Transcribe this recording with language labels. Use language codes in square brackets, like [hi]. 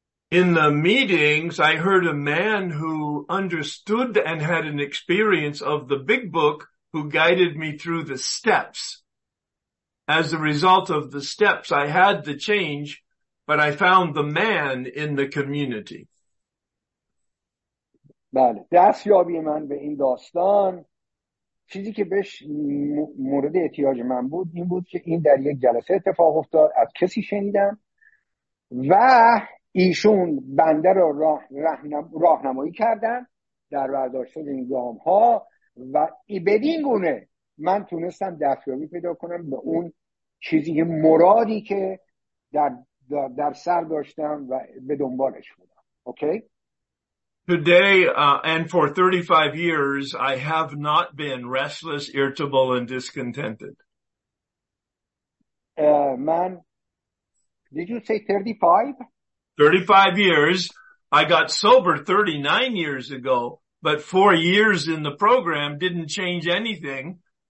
[en] In the meetings I heard a man who understood and had an experience of the big book who guided me through the steps. As a result of the steps I had the change, but I found the man in the community. [fa] بله، دستیابی من به این داستان چیزی که بهش مورد احتیاج من بود این بود که این در یک جلسه اتفاق افتاد، از کسی شنیدم و ایشون بنده رو راهنمایی کردن در برداشت این گام ها و بدین گونه من تونستم دستیابی پیدا کنم به اون چیزی که مرادی که در در سر داشتم و به دنبالش بودم. اوکی؟ [en] Today, and for 35 years, I have not been restless, irritable, and discontented. Man, did you say 35? 35 years. I got sober 39 years ago, but 4 years in the program didn't change anything.